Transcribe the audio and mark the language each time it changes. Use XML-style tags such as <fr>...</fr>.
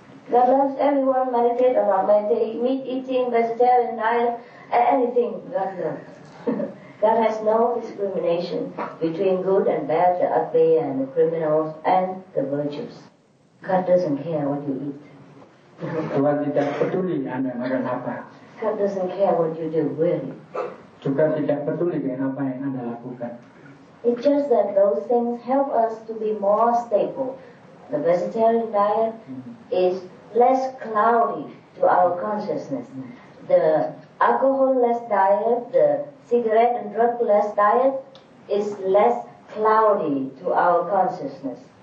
<en>God loves everyone, meditate or not meditate, meat eating, vegetarian diet, anything God loves. God has no discrimination between good and bad, the ugly and the criminals and the virtuous. God doesn't care what you eat.</en> <id>Tuhan tidak peduli Anda makan apa.</id> <en>God doesn't care what you do, really.</en> <id>Juga tidak peduli dengan apa yang Anda lakukan.</id> <en>It's just that those things help us to be more stable. The vegetarian diet is less cloudy to our consciousness. The alcohol-less diet, the cigarette and drug-less diet is less cloudy to our consciousness.</en>